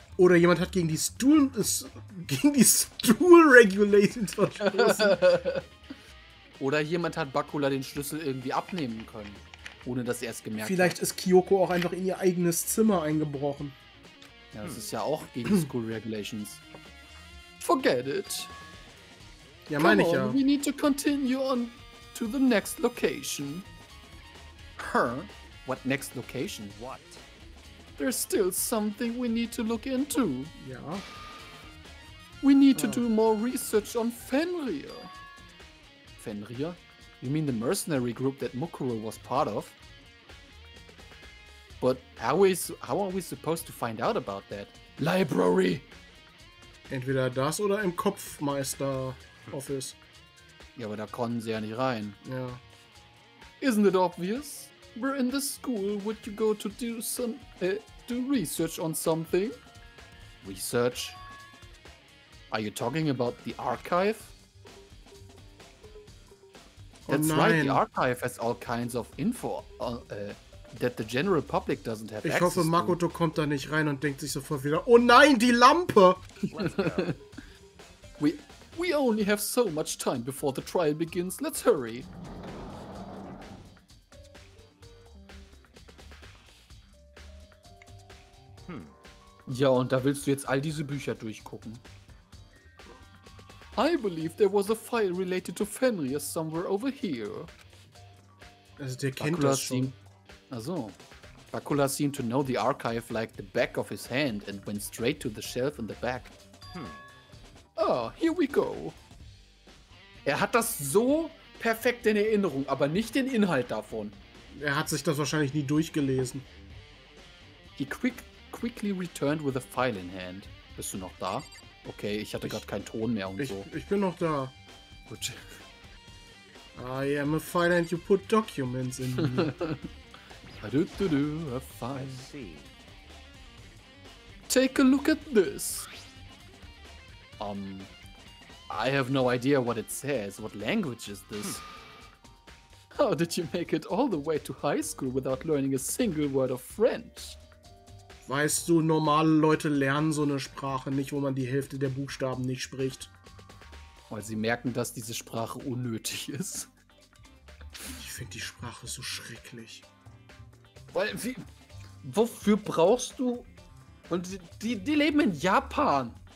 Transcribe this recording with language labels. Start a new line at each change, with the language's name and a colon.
German: Oder jemand hat gegen die Stuhl... gegen die Stuhl-Regulations verstoßen. Oder jemand hat Bakula den Schlüssel irgendwie abnehmen können, ohne dass er es gemerkt hat. Vielleicht ist Kyoko auch einfach in ihr eigenes Zimmer eingebrochen. Ja, das ist ja auch gegen School Regulations.
English: Forget it.
German: Ja, meine ich ja.
English: We need to continue on to the next location. Huh? What next location? What? There's still something we need to look into.
German: Ja.
English: We need to do more research on Fenrir. Fenrir? You mean the mercenary group that Mukuro was part of? But how are we supposed to find out about that? Library!
German: Entweder das oder im Kopfmeister Office. Ja, aber da konnten sie ja nicht rein. Ja.
English: Isn't it obvious? We're in the school, would you go to do some do research on something? Research? Are you talking about the archive? That's right, the archive has all kinds of info that the general public doesn't have access to.
German: Ich hoffe, Makoto kommt da nicht rein und denkt sich sofort wieder, oh nein, die Lampe!
English: We only have so much time before the trial begins, let's hurry!
German: Ja, und da willst du jetzt all diese Bücher durchgucken.
English: I believe there was a file related to Fenrir somewhere over here.
German: Also der kennt Bakula das schon.
English: Also, Bakula seemed to know the archive like the back of his hand and went straight to the shelf in the back. Here we go.
German: Er hat das so perfekt in Erinnerung, aber nicht den Inhalt davon. Er hat sich das wahrscheinlich nie durchgelesen.
English: Quickly returned with a file in hand.
German: Bist du noch da? Okay, ich hatte gerade keinen Ton mehr und ich, so. Ich bin noch da. Gut.
English: I am a file and you put documents in me. Du, a file. I see. Take a look at this. I have no idea what it says. What language is this? How did you make it all the way to high school without learning a single word of French?
German: Weißt du, normale Leute lernen so eine Sprache nicht, wo man die Hälfte der Buchstaben nicht spricht. Weil sie merken, dass diese Sprache unnötig ist. Ich finde die Sprache so schrecklich. Weil, wie, wofür brauchst du... Und die leben in Japan.